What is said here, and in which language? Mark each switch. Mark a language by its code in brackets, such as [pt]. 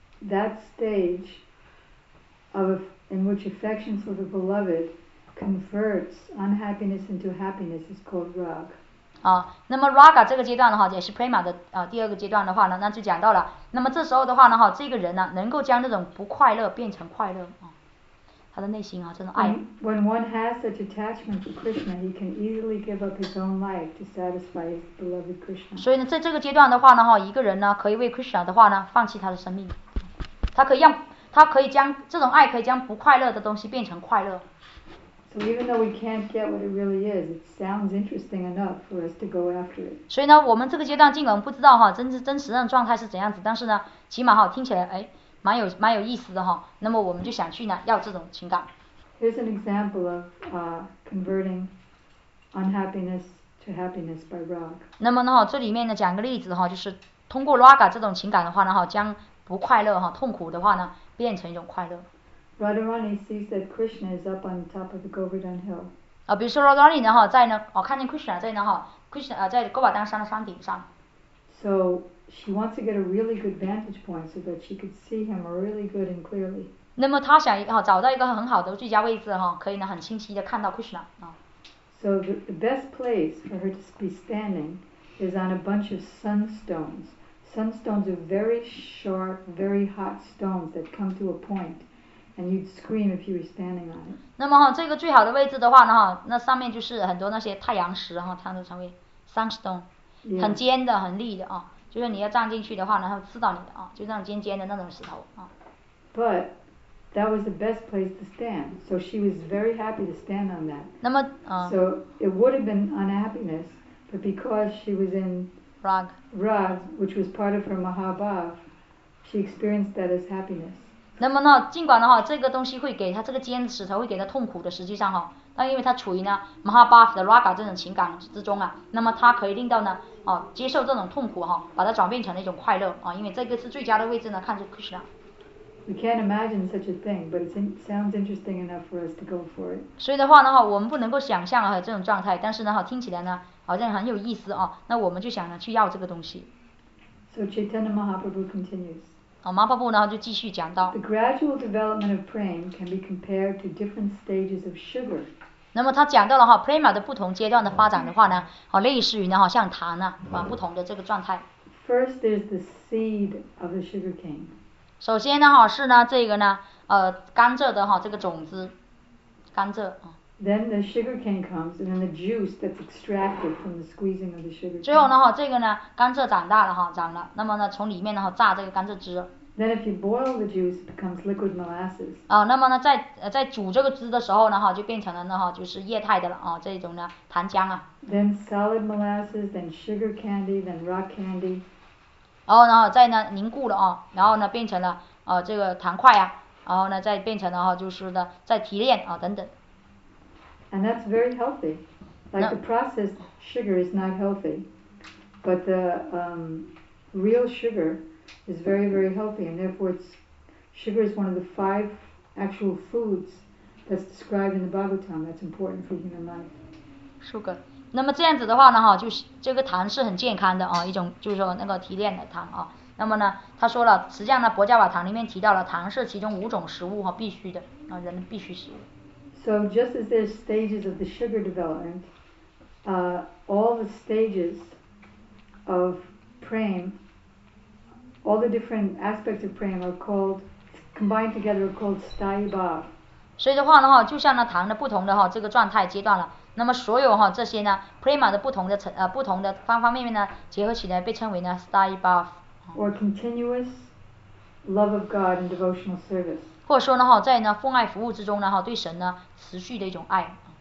[en] That stage of in which affection for the beloved converts unhappiness into happiness is called rag. [zh] 那么 raga 这个阶段的话，也是 prema 的第二个阶段的话呢，那就讲到了。那么这时候的话呢，这个人呢，能够将那种不快乐变成快乐他的内心这种爱。 [en] When one has such attachment to Krishna, he can easily give up his own life to satisfy his beloved Krishna. [zh] 所以呢，在这个阶段的话呢，一个人呢，可以为 Krishna 的话呢，放弃他的生命。他可以将这种爱，可以将不快乐的东西变成快乐。 [en] So even though we can't get what it really is, it sounds interesting enough for us to go after it. [zh] 所以呢，我们这个阶段尽管不知道哈，真实的状态是怎样子，但是呢，起码哈听起来哎，蛮有意思的哈。那么我们就想去呢，要这种情感。 [en] Here's an example of converting unhappiness to happiness by rock. [zh] 那么呢，这里面呢讲个例子哈，就是通过 raga 这种情感的话呢，哈，将不快乐哈，痛苦的话呢，变成一种快乐。 [en] Radharani sees that Krishna is up on top of the Govardhan Hill. [zh] 啊，比如说 Radharani 呢哈，在呢，哦，看见 Krishna 在呢哈 ，Krishna 啊，在 Govardhan 山的山顶上。 [en] So she wants to get a really good vantage point so that she could see him really good and clearly. [zh] 那么她想哈，找到一个很好的最佳位置哈，可以呢很清晰的看到 Krishna 啊。 [en] So the best place for her to be standing is on a bunch of sunstones. Sunstones are very sharp, very hot stones that come to a point. And you'd scream if you were standing on it. [zh] 那么哈，这个最好的位置的话呢哈，那上面就是很多那些太阳石哈，它都成为 sunstone， [en] <Yeah. [zh] S 2> 很尖的、很利的啊。就是你要站进去的话呢，它刺到你的啊，就那种尖尖的那种石头啊。 [en] But that was the best place to stand, so she was very happy to stand on that. [zh] 那么 [en] So it would have been unhappiness, but because she was in rag, which was part of her mahabhav, she experienced that as happiness. [zh] 那么呢，尽管的话，这个东西会给他这个尖石头会给他痛苦的，实际上哈，但因为他处于呢 Mahabhav 的 Raga 这种情感之中啊，那么他可以令到呢，哦，接受这种痛苦哈，把它转变成了一种快乐啊，因为这个是最佳的位置呢，看着 Krishna。 [en] We can't imagine such a thing, but it sounds interesting enough for us to go for it. [zh] 所以的话呢，我们不能够想象啊这种状态，但是呢，听起来呢，好像很有意思啊，那我们就想呢去要这个东西。 [en] So Chaitanya Mahaprabhu continues. [zh] 马巴布呢就继续讲到 [en] The gradual development of prema can be compared to different stages of sugar. [zh] 那么他讲到了哈 prema 的不同阶段的发展的话呢，哦，类似于呢哈像糖啊，啊不同的这个状态。 [en] First, there's the seed of the sugar cane. [zh] 首先呢哈是呢这个呢甘蔗的哈这个种子，甘蔗啊。 [en] Then the sugar cane comes, and then the juice that's extracted from the squeezing of the sugar cane. [zh] 最后呢，哈，这个呢，甘蔗长大了，哈，长了。那么呢，从里面呢，哈，榨这个甘蔗汁。 [en] Then if you boil the juice, it becomes liquid molasses. [zh] 啊，那么呢，在煮这个汁的时候呢，哈，就变成了呢，哈，就是液态的了，啊，这种呢，糖浆啊。 [en] Then solid molasses, then sugar candy, then rock candy. [zh] 然后呢，再呢，凝固了啊，然后呢，变成了这个糖块啊，然后呢，再变成了哈，就是的，再提炼啊，等等。 [en] And that's very healthy. Like the processed sugar is not healthy, but the real sugar is very, very healthy. And therefore, sugar is one of the five actual foods that's described in the Bhagavatam that's important for human life. Sugar. [zh] 那么这样子的话呢，哈，就是这个糖是很健康的啊，一种就是说那个提炼的糖啊。那么呢，他说了，实际上呢，《薄伽瓦堂》里面提到了糖是其中五种食物哈必须的啊，人必须食物。 [en] So just as there's stages of the sugar development, all the stages of prema, all the different aspects of prema are called combined together are called stayba. [zh] 所以的话呢哈，就像呢糖的不同的哈这个状态阶段了，那么所有哈这些呢 prema 的不同的层不同的方方面面呢结合起来被称为呢 stayba. [en] Or continuous love of God and devotional service. [zh] 或者说呢，哈，在呢奉爱服务之中呢，哈，对神呢持续的一种爱。